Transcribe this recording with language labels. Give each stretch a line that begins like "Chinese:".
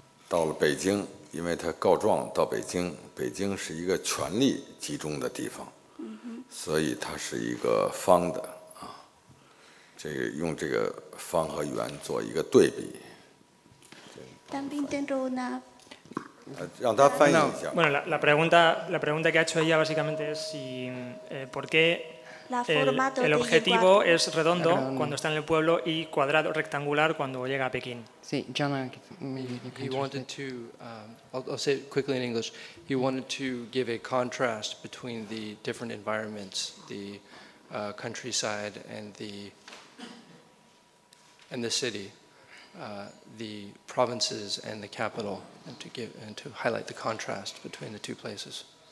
Chinese: 到了北京，因为他告状到北京，北京是一个权力集中的地方，所以他是一个方的啊，这个用这个方和圆做一个对比。
Spanish: También tengo una.
Chinese: 让他翻译一下。
Spanish: Bueno, la pregunta que ha hecho ella básicamente es si por qué el objetivo es redondo cuando está en el pueblo y cuadrado rectangular cuando llega a Pekín. Sí, John.
English: He wanted to. I'll say it quickly in English. He wanted to give a contrast between the different environments, the countryside and the city. The provinces and the capital, and to highlight the contrast between the two places.